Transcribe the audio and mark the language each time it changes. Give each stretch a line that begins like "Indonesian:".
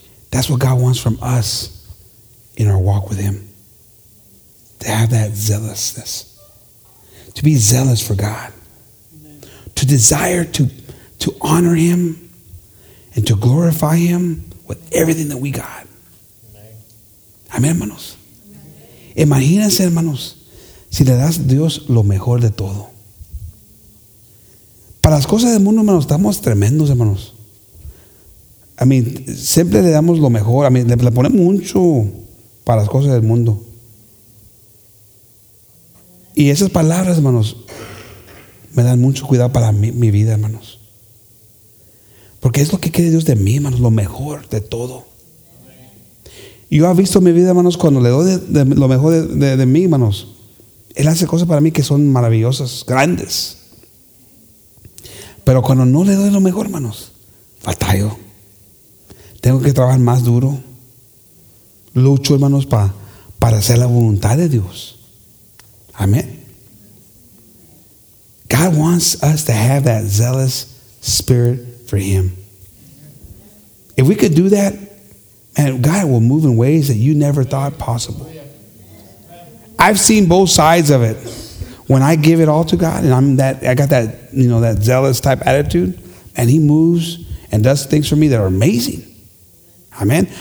English: That's what God wants from us in our walk with him. To have that zealousness. To be zealous for God. Amen. To desire to honor him and to glorify him with everything that we got. Amen, hermanos. Amen.
Spanish: Imagínense, hermanos, si le das a Dios lo mejor de todo. Para las cosas del mundo, hermanos, estamos tremendos, hermanos.
English: I mean,
Spanish: siempre le damos lo mejor.
English: I mean,
Spanish: le ponemos mucho para las cosas del mundo. Y esas palabras, hermanos, me dan mucho cuidado para mi vida, hermanos. Porque es lo que quiere Dios de mí, hermanos, lo mejor de todo. Yo he visto mi vida, hermanos, cuando le doy lo mejor de mí, hermanos. Él hace cosas para mí que son maravillosas, grandes. Pero cuando no le doy lo mejor, hermanos, batallo. Tengo que trabajar más duro. Lucho, hermanos, para hacer la voluntad de Dios. Amén.
English: God wants us to have that zealous spirit for him. If we could do that, man, God will move in ways that you never thought possible. I've seen both sides of it. When I give it all to God and I got that zealous type attitude, and he moves and does things for me that are amazing. Amen.